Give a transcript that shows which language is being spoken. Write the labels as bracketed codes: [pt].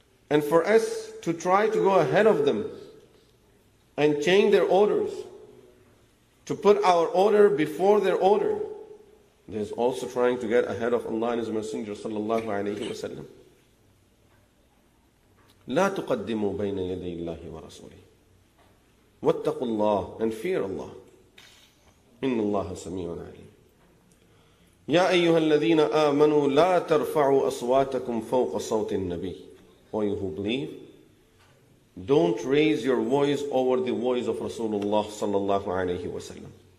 [en] And for us to try to go ahead of them and change their orders, to put our order before their order, there is also trying to get ahead of Allah and His Messenger sallallahu alayhi wa sallam. [ar] لا تقدموا بين يدي الله ورسوله واتقوا الله [en] and fear Allah. [ar] إِنَّ اللَّهَ سَمِيعٌ عَلِيمٌ يَا أَيُّهَا الَّذِينَ آمَنُوا لَا تَرْفَعُوا أَصْوَاتَكُمْ فَوْقَ صَوْتِ النَّبِيِّ [en] All you who believe, don't raise your voice over the voice of Rasulullah sallallahu alayhi wa sallam.